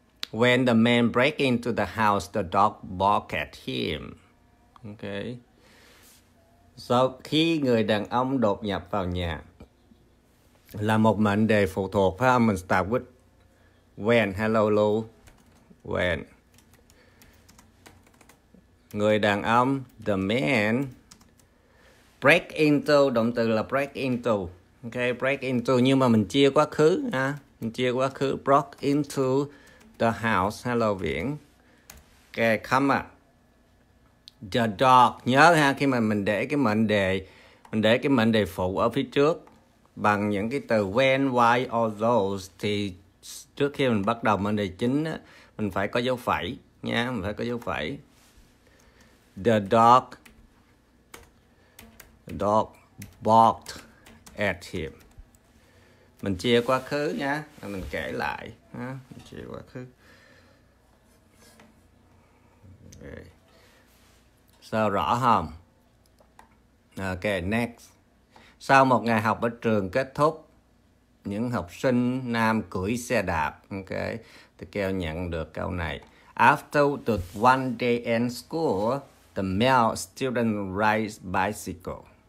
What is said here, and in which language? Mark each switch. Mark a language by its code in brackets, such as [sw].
[en] When the man break into the house, the dog bark at him. Okay. [vi] So, khi người đàn ông đột nhập vào nhà là một mệnh đề phụ thuộc, phải không? [en] Mình start with when. Hello, Lou. When. [vi] Người đàn ông, the man, break into, động từ là break into. Okay, break into, nhưng mà mình chia quá khứ. Ha? Mình chia quá khứ, [en] broke into the house. Hello, Viễn. Okay, come on. [vi] The dog, nhớ ha, khi mà mình để cái mệnh đề, mình để cái mệnh đề phụ ở phía trước bằng những cái từ [en] when, why, or those, [vi] thì trước khi mình bắt đầu mệnh đề chính á, mình phải có dấu phẩy nha, mình phải có dấu phẩy. [en] The dog barked at him. [vi] Mình chia quá khứ nha, mình kể lại ha, mình chia quá khứ. Okay. Sao rõ không? [en] Ok, next. [vi] Sau một ngày học ở trường kết thúc, những học sinh nam cưỡi xe đạp. Ok, thì Kheo nhận được câu này. [en] After the one day in school, the male student rides bicycle.